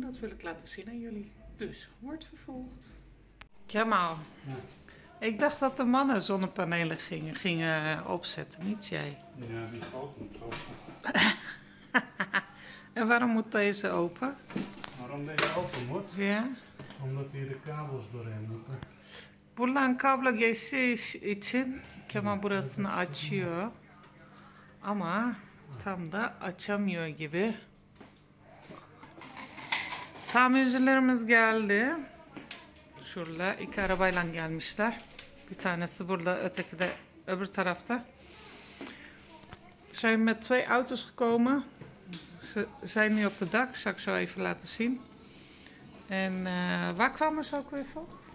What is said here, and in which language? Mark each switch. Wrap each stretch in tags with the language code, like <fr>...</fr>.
<nl>Dat wil ik laten zien aan jullie. Dus wordt vervolgd. Kemal. Ja. Ik dacht dat de mannen zonnepanelen gingen opzetten. Niet jij. Ja, die valt niet open. En waarom moet deze open? Waarom deze open moet? Ja. Omdat hier de kabels doorheen moeten.</nl> <tr>Buradan kablo geçiş için Kemal burasını açıyor. Ama tam da açamıyor gibi. Tamircilerimiz geldi. Şurada iki arabayla gelmişler. Bir tanesi burada, öteki de öbür tarafta.</tr> <nl>Zijn met twee auto's gekomen. Ze zijn nu op de dak. Zal ik zo even laten zien. En waar kwamen ze ook weer van?</nl>